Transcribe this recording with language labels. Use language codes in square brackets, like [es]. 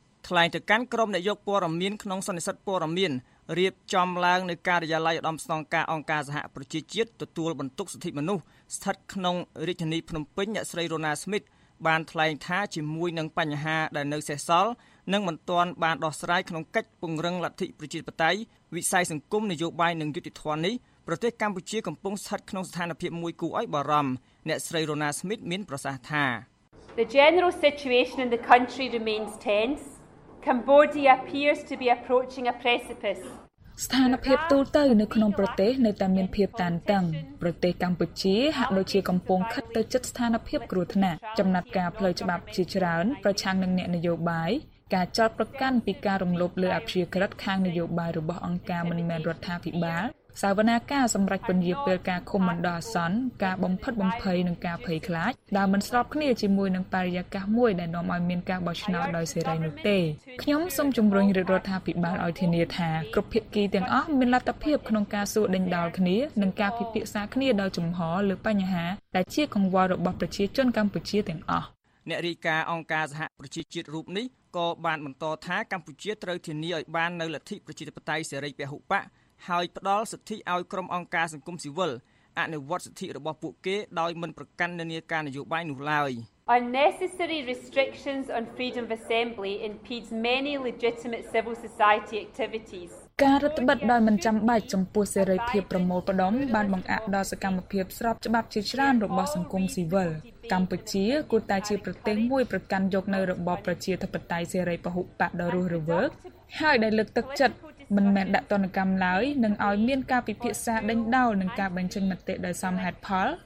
[km] ថ្លែងទៅកាន់ក្រុមអ្នកយកព័ត៌មានក្នុងសន្និសីទព័ត៌មានរៀបចំឡើងនៅការិយាល័យឧត្តមស្នងការអង្គការសហប្រជាជាតិទទួលបន្ទុកសិទ្ធិមនុស្សស្ថិតក្នុងរាជធានីភ្នំពេញអ្នកស្រី Rona Smith បានថ្លែងថាជាមួយនឹងបញ្ហាដែលនៅសេសសល់នឹងមិនទាន់បានដោះស្រាយក្នុងកិច្ចពង្រឹងលទ្ធិប្រជាធិបតេយ្យវិស័យសង្គមនយោបាយនិងយុត្តិធម៌នេះប្រទេសកម្ពុជាកំពុងស្ថិតក្នុងស្ថានភាពមួយគួរឲ្យបារម្ភអ្នកស្រី Rona Smith មានប្រសាសន៍ថា [en] The general situation in the country remains tense. Cambodia appears to be approaching a precipice. [km] ស្ថានភាពទូទៅនៅក្នុងប្រទេសនៅតែមានភាពតានតឹងប្រទេសកម្ពុជាហាក់ដូចជាកំពុងខិតទៅជិតស្ថានភាពគ្រោះថ្នាក់ចំណាត់ការផ្លូវច្បាប់ជាច្រើនប្រឆាំងនឹងអ្នកនយោបាយការចោទប្រកាន់ពីការរំលោភលើអព្យាក្រឹតខាងនយោបាយរបស់អង្គការមិនមែនរដ្ឋាភិបាលសាវនាការសម្រាប់ពន្យាពេលការឃុំបណ្ដោះអាសន្នការបំផិតបំភ័យនិងការភ័យខ្លាចដែលមិនស្របគ្នាជាមួយនឹងបរិយាកាសមួយដែលនាំឲ្យមានការបោះឆ្នោតដោយសេរីនោះទេ ខ្ញុំសូមជំរុញរដ្ឋាភិបាលឲ្យធានាថាគ្រប់ភាគីទាំងអស់មានលទ្ធភាពក្នុងការសួរដេញដោលគ្នានិងការពិភាក្សាគ្នាដោយចំហឬបញ្ហាដែលជាកង្វល់របស់ប្រជាជនកម្ពុជាទាំងអស់អ្នករាយការណ៍អង្គការសហប្រជាជាតិរូបនេះក៏បានបន្តថាកម្ពុជាត្រូវធានាឲ្យបាននូវលទ្ធិប្រជាធិបតេយ្យសេរីពហុបកហើយផ្ដល់សិទ្ធិឲ្យក្រុមអង្គការសង្គមស៊ីវិលអនុវត្តសិទ្ធិរបស់ពួកគេដោយមិនប្រកាន់និន្នាការនយោបាយនោះឡើយ [en] Unnecessary restrictions on freedom of assembly impedes many legitimate civil society activities [km] ការរឹតបន្តឹងដោយមិនចាំបាច់ចំពោះសេរីភាពប្រមូលផ្ដុំបានបង្អាក់ដល់សកម្មភាពស្របច្បាប់ជាច្រើនរបស់សង្គមស៊ីវិលកម្ពុជាគួរតែជាប្រទេសមួយប្រកាន់យកនៅរបបប្រជាធិបតេយ្យសេរីពហុបកដ៏រស់រវើកហើយដែលលើកទឹកចិត្តមិនមែនដាក់ទណ្ឌកម្មឡើយនឹងឲ្យមានការពិភាក្សាដេញដោលនិងការបញ្ចេញមតិដោយសមហេតុផល